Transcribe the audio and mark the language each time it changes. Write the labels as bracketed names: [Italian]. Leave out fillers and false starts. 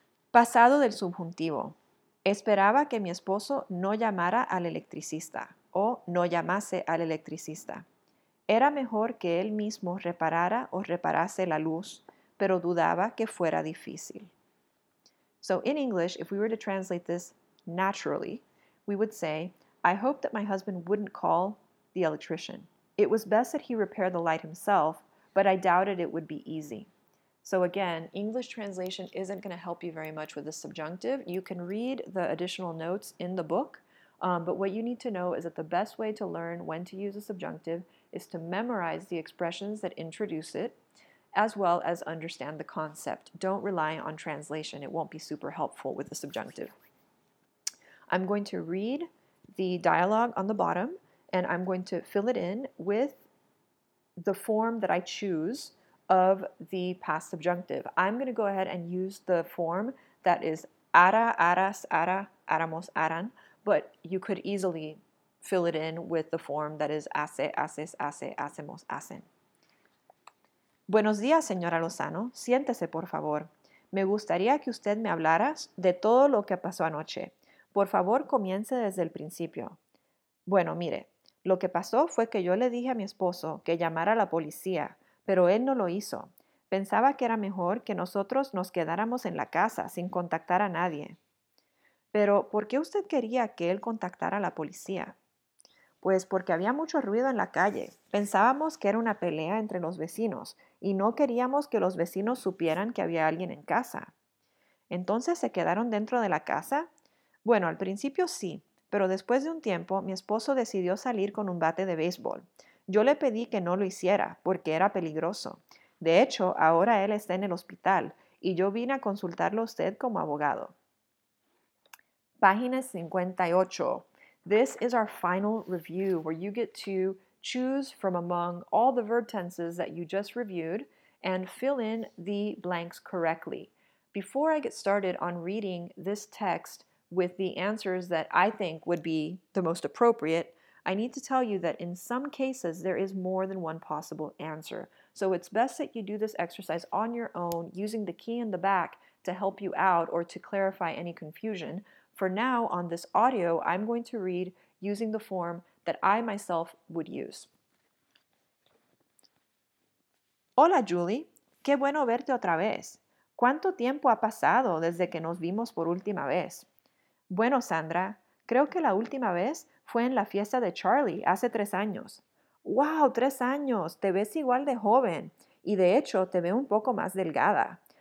[Spanish] Pasado del subjuntivo. Esperaba que mi esposo no llamara al electricista o no llamase al electricista. Era mejor que él mismo reparara o reparase la luz, pero dudaba que fuera difícil. [English] So in English, if we were to translate this naturally, we would say, I hope that my husband wouldn't call the electrician. It was best that he repair the light himself, but I doubted it would be easy. So again, English translation isn't going to help you very much with the subjunctive. You can read the additional notes in the book, but what you need to know is that the best way to learn when to use a subjunctive is to memorize the expressions that introduce it, as well as understand the concept. Don't rely on translation. It won't be super helpful with the subjunctive. I'm going to read the dialogue on the bottom, and I'm going to fill it in with the form that I choose of the past subjunctive. I'm going to go ahead and use the form that is ara, aras, ara, aramos, aran, but you could easily fill it in with the form that is hace, haces, hace, hacemos, hacen. [Spanish] Buenos días, señora Lozano. Siéntese, por favor. Me gustaría que usted me hablara de todo lo que pasó anoche. Por favor, comience desde el principio. Bueno, mire, lo que pasó fue que yo le dije a mi esposo que llamara a la policía, pero él no lo hizo. Pensaba que era mejor que nosotros nos quedáramos en la casa sin contactar a nadie. Pero, ¿por qué usted quería que él contactara a la policía? Pues porque había mucho ruido en la calle. Pensábamos que era una pelea entre los vecinos y no queríamos que los vecinos supieran que había alguien en casa. ¿Entonces se quedaron dentro de la casa? Bueno, al principio sí, pero después de un tiempo mi esposo decidió salir con un bate de béisbol. Yo le pedí que no lo hiciera porque era peligroso. De hecho, ahora él está en el hospital y yo vine a consultarlo a usted como abogado. Página 58. [English] This is our final review where you get to choose from among all the verb tenses that you just reviewed and fill in the blanks correctly. Before I get started on reading this text with the answers that I think would be the most appropriate, I need to tell you that in some cases there is more than one possible answer. So it's best that you do this exercise on your own using the key in the back to help you out or to clarify any confusion. For now, on this audio, I'm going to read using the form that I myself would use. [Spanish] Hola, Julie. Qué bueno verte otra vez. ¿Cuánto tiempo ha pasado desde que nos vimos por última vez? Bueno, Sandra, creo que la última vez fue en la fiesta de Charlie hace 3 años. Wow, 3 años, te ves igual de joven y de hecho te veo un poco más delgada.